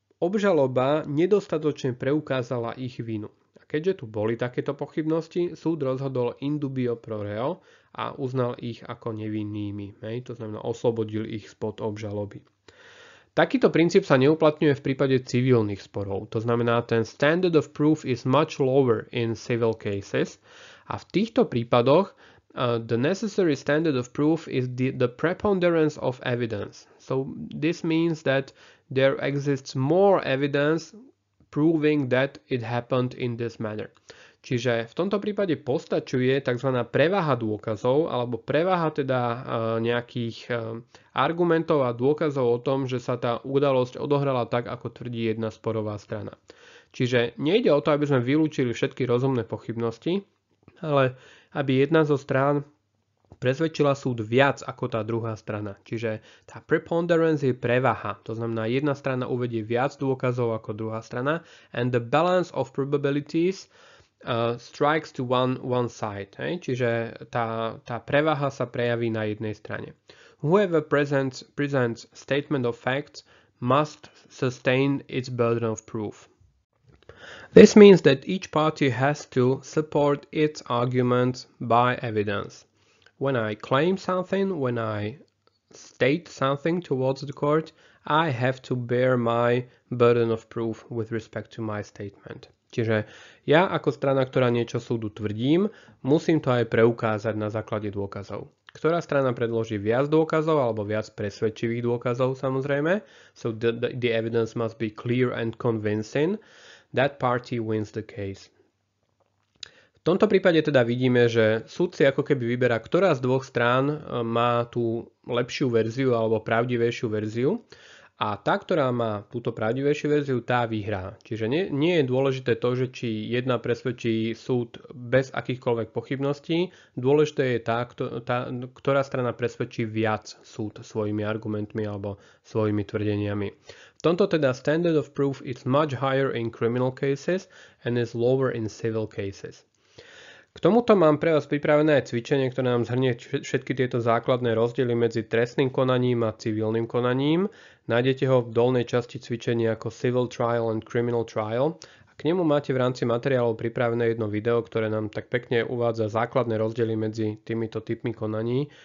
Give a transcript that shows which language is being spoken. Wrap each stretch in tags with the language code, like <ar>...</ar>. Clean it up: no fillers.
<sk>Obžaloba nedostatočne preukázala ich vinu. A keďže tu boli takéto pochybnosti, súd rozhodol</sk> <la>in dubio pro reo</la> <sk>a uznal ich ako nevinnými. Hej, to znamená, oslobodil ich spod obžaloby. Takýto princíp sa neuplatňuje v prípade civilných sporov. To znamená, ten</sk> <en>standard of proof is much lower in civil cases.</en> <sk>A v týchto prípadoch</sk> <en>the necessary standard of proof is the preponderance of evidence. So this means that there exists more evidence proving that it happened in this manner.</en> <sk>Čiže v tomto prípade postačuje tzv. Prevaha dôkazov alebo prevaha teda nejakých argumentov a dôkazov o tom, že sa tá udalosť odohrala tak, ako tvrdí jedna sporová strana. Čiže nejde o to, aby sme vylúčili všetky rozumné pochybnosti, ale aby jedna zo strán presvedčila súd viac ako tá druhá strana. Čiže tá preponderance je prevaha. To znamená, jedna strana uvedie viac dôkazov ako druhá strana.</sk> <en>And the balance of probabilities strikes to one side. Hey?</en> <sk>Čiže tá prevaha sa prejaví na jednej strane.</sk> <en>Whoever presents statement of facts must sustain its burden of proof. This means that each party has to support its argument by evidence. When I claim something, when I state something towards the court, I have to bear my burden of proof with respect to my statement.</en> <sk>Čiže ja ako strana, ktorá niečo súdu tvrdím, musím to aj preukázať na základe dôkazov. Ktorá strana predloží viac dôkazov alebo viac presvedčivých dôkazov samozrejme,</sk> <en>so the evidence must be clear and convincing, that party wins the case.</en> <sk>V tomto prípade teda vidíme, že súd si ako keby vyberá, ktorá z dvoch strán má tú lepšiu verziu alebo pravdivejšiu verziu a tá, ktorá má túto pravdivejšiu verziu, tá vyhrá. Čiže nie je dôležité to, že či jedna presvedčí súd bez akýchkoľvek pochybností, dôležité je tá, ktorá strana presvedčí viac súd svojimi argumentmi alebo svojimi tvrdeniami. V tomto teda</sk> <en>standard of proof is much higher in criminal cases and is lower in civil cases.</en> <sk>K tomuto mám pre vás pripravené aj cvičenie, ktoré nám zhrnie všetky tieto základné rozdiely medzi trestným konaním a civilným konaním. Nájdete ho v dolnej časti cvičenia ako Civil Trial and Criminal Trial. A k nemu máte v rámci materiálov pripravené jedno video, ktoré nám tak pekne uvádza základné rozdiely medzi týmito typmi konaní.</sk>